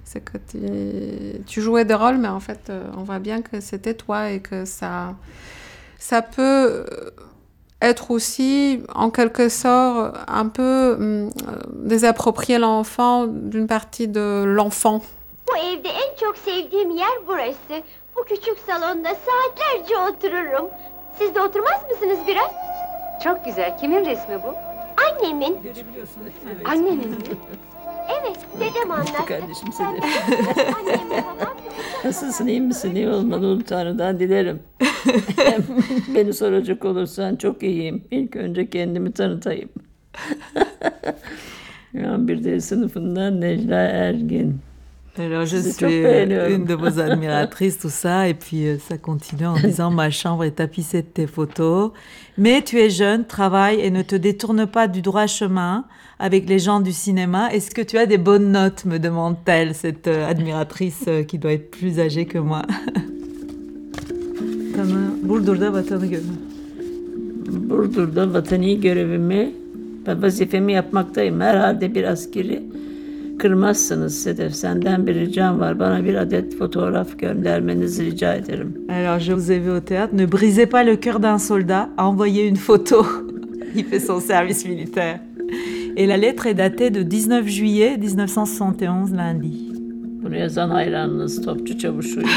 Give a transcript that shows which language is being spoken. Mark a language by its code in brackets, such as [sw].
[fr] C'est que tu jouais des rôles, mais en fait, on voit bien que c'était toi et que ça peut être aussi, en quelque sorte, un peu désapproprier l'enfant d'une partie de l'enfant. [tr] Bu evde en çok sevdiğim yer burası. Bu küçük salonda saatlerce otururum. Siz de oturmaz mısınız biraz? Çok güzel. Kimin resmi bu? Annemin. Annemin. Evet, dedem anlattı. İşte kardeşim size. Nasılsın, iyi misin? İyi olman oğlum, Tanrı'dan dilerim. Beni soracak olursan çok iyiyim. İlk önce kendimi tanıtayım. Bir de sınıfından Necla Ergin. [fr] Alors, je suis une de vos admiratrices, tout ça. Et puis, ça continue en disant, ma chambre est tapissée de tes photos. Mais tu es jeune, travaille et ne te détourne pas du droit chemin avec les gens du cinéma. Est-ce que tu as des bonnes notes, me demande-t-elle, cette admiratrice qui doit être plus âgée que moi. [tr] Burdur'da vatanı görevimi. Burdur'da vatanı görevimi, vazifemi yapmaktayım. Herhalde bir askeri. Kırmazsınız Sedef, senden bir ricam var. Bana bir adet fotoğraf göndermenizi rica ederim. [fr] Alors, je vous ai vu au théâtre. Ne brisez pas le cœur d'un soldat. Envoyez une photo. Il fait son service militaire. Et la lettre est datée de 19 juillet 1971, lundi. [tr] Bunu yazan hayranınız topçu çavuşu.